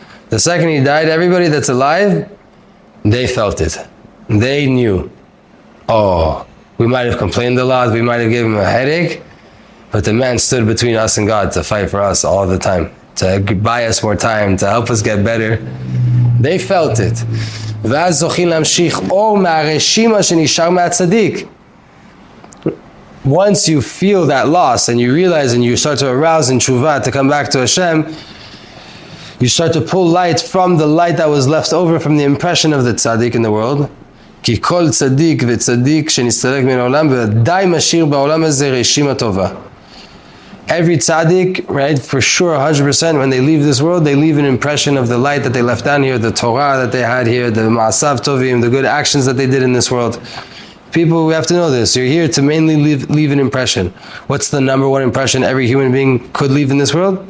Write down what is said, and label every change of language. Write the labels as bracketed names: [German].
[English] The second he died, everybody that's alive, they felt it. They knew. Oh, we might have complained a lot, we might have given him a headache, but the man stood between us and God to fight for us all the time, to buy us more time, to help us get better. They felt it. [Hebrew] ואז זוכים להמשיך אור מהרשימה שנשאר מהצדיק. [English] Once you feel that loss and you realize and you start to arouse in tshuva to come back to Hashem, you start to pull light from the light that was left over from the impression of the tzaddik in the world. [Hebrew] כי כל צדיק וצדיק שנסתלק מן העולם ודאי משאיר בעולם הזה רשימה טובה. [English] Every tzaddik, right, for sure, 100%, when they leave this world, they leave an impression of the light that they left down here, the Torah that they had here, the ma'asav tovim, the good actions that they did in this world. People, we have to know this. You're here to mainly leave an impression. What's the number one impression every human being could leave in this world?